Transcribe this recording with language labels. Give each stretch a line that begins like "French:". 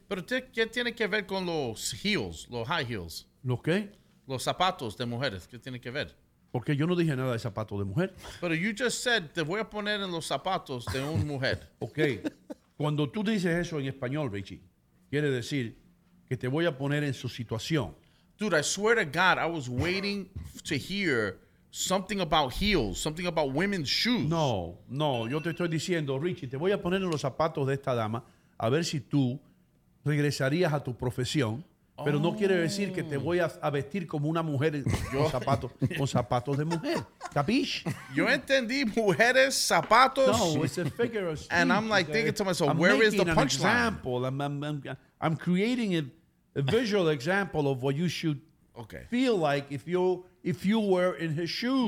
Spanish: ¿Pero qué tiene que ver con los heels, los high heels? ¿Los qué? Los zapatos de mujeres. ¿Qué tiene que ver? Porque yo no dije nada de zapatos de mujer. Pero
English: you just said,
Spanish: te voy a poner en los zapatos de una mujer.
English: Ok.
Spanish: Cuando tú dices eso en español, Richie, quiere decir que te voy a poner en su situación.
English: Dude, I swear to God, I was waiting to hear something about heels, something about women's shoes.
Spanish: No, yo te estoy diciendo, Richie, te voy a poner en los zapatos de esta dama a ver si tú regresarías a tu profesión, pero no quiere decir que te voy a vestir como una mujer con zapatos de mujer. ¿Capish? Yo entendí mujeres, zapatos.
English: No, it's a figure of speech. And I'm like thinking to myself, where is the punchline? I'm creating a visual example of what you should feel like if you were in his shoes.